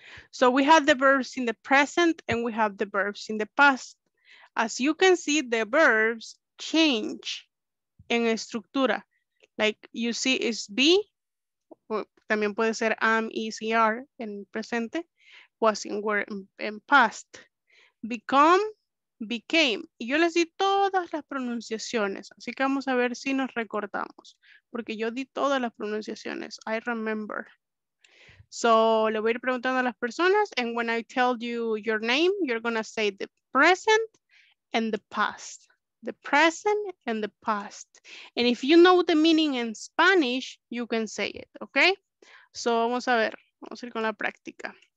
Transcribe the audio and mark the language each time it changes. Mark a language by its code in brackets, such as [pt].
[en] So we have the verbs in the present and we have the verbs in the past. As you can see, the verbs change in estructura. Like you see it's be, también puede ser am, is, are in presente, was in, were in past. Become, became. [es] Y yo les di todas las pronunciaciones, así que vamos a ver si nos recordamos, porque yo di todas las pronunciaciones. [en] I remember. So, le voy a ir preguntando a las personas, and when I tell you your name, you're gonna say the present and the past. the present and the past. And if you know the meaning in Spanish, you can say it, okay? [es] So vamos a ver, vamos a ir con la práctica.